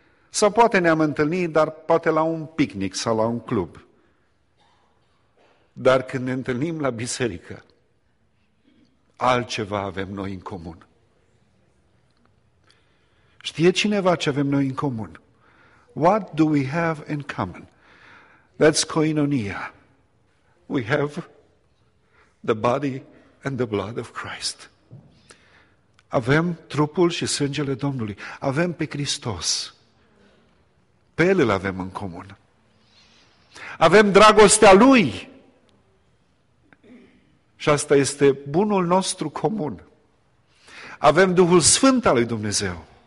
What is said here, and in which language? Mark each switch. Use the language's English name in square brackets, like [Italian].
[Romanian] Sau poate ne-am întâlni, dar poate la un picnic sau la un club. Dar când ne întâlnim la biserică, altceva avem noi în comun. Știe cineva ce avem noi în comun? [English] What do we have in common? That's koinonia. We have the body and the blood of Christ. [Romanian] Avem trupul și sângele Domnului. Avem pe Hristos. Pe El îl avem în comun. Avem dragostea Lui. Și asta este bunul nostru comun. Avem Duhul Sfânt al lui Dumnezeu.